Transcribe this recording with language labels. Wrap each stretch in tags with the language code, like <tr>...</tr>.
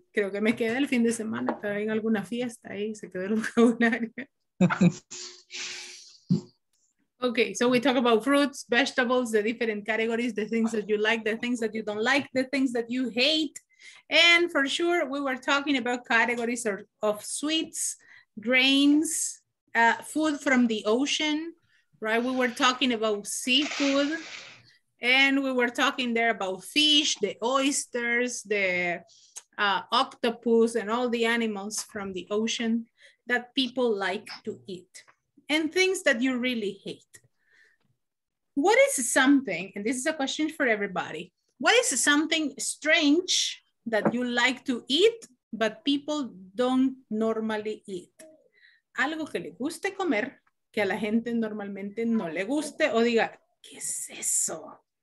<es>Creo que me quedé el fin de semana, estaba en alguna fiesta y se quedó el vocabulario.</es> <en>Okay, so we talk about fruits, vegetables, the different categories, the things that you like, the things that you don't like, the things that you hate. And for sure, we were talking about categories of sweets, grains, food from the ocean, right? We were talking about seafood. And we were talking there about fish, the oysters, the octopus, and all the animals from the ocean that people like to eat, and things that you really hate. What is something, and this is a question for everybody, what is something strange that you like to eat, but people don't normally eat?</en> <es>Algo que le guste comer, que a la gente normalmente no le guste, o diga, ¿qué es eso?</es>